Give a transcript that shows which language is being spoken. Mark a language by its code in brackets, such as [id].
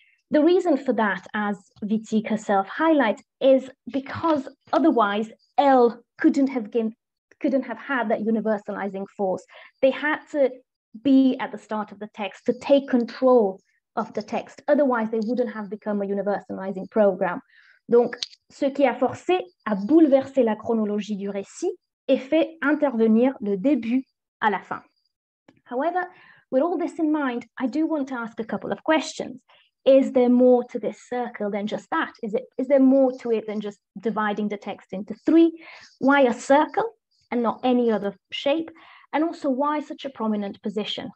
[en] The reason for that, as Wittig herself highlights, is because otherwise L couldn't have had that universalizing force. They had to be at the start of the text to take control of the text. Otherwise, they wouldn't have become a universalizing program. [fr] Donc, ce qui a forcé à bouleverser la chronologie du récit et fait intervenir le début à la fin. [en] However, with all this in mind, I do want to ask a couple of questions. Is there more to this circle than just that? Is there more to it than just dividing the text into three? Why a circle and not any other shape? And also, why such a prominent position?